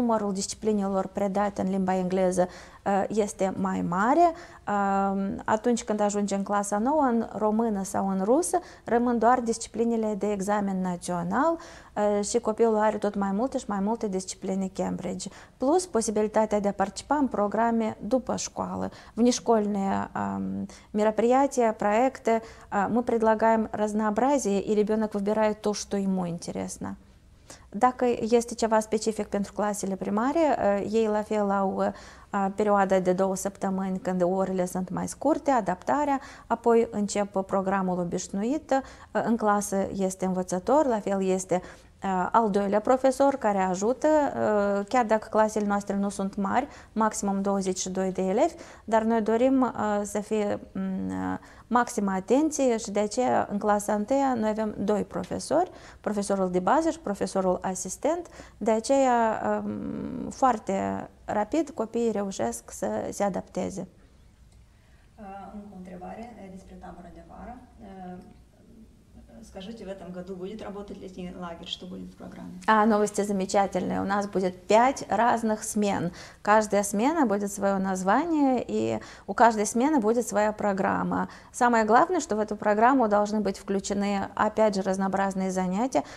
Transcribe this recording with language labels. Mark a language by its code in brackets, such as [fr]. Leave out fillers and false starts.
[ro] numărul disciplinelor predate în limba engleză este mai mare, atunci când ajunge în clasa nouă, în română sau în rusă, rămân doar disciplinele de examen național și copilul are tot mai multe și mai multe discipline Cambridge, plus posibilitatea de a participa în programe după școală, [ru] внешкольные мероприятия, проекты. Мы предлагаем разнообразие, и ребенок выбирает то, что ему интересно. [ro] Dacă este ceva specific pentru clasele primare, ei la fel au perioada de 2 săptămâni când orele sunt mai scurte, adaptarea, apoi încep programul obișnuit, în clasă este învățător, la fel este al doilea profesor care ajută, chiar dacă clasele noastre nu sunt mari, maximum 22 de elevi, dar noi dorim să fie maximă atenție și de aceea în clasa 1 noi avem 2 profesori, profesorul de bază și profesorul asistent, de aceea foarte rapid copiii reușesc să se adapteze. Încă o întrebare despre tabără de vară. [ru] Скажите, в этом году будет работать летний лагерь? Что будет в программе? А, новости замечательные. У нас будет 5 разных смен. Каждая смена будет свое название, и у каждой смены будет своя программа. Самое главное, что в эту программу должны быть включены, опять же, разнообразные занятия.